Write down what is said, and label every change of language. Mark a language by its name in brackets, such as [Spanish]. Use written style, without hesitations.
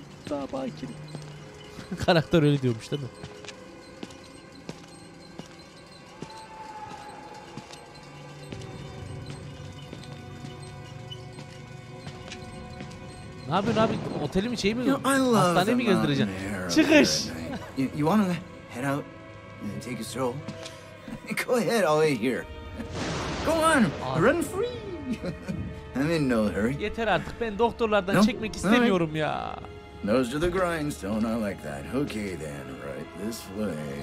[Turkish] Daha bakirin. Karakter öyle diyormuş değil mi? Ne yapıyorsun abi? Oteli mi şey mi? Hastaneye mi gezdireceksin? Çıkış. [English] You want to head out and take a stroll? Go ahead, I'll wait here. Go on, run free. I'm in no hurry. [Turkish] Yeter artık. Ben doktorlardan çekmek istemiyorum ya. [English] Those are the grindstone. I like that. Okay then, right this way.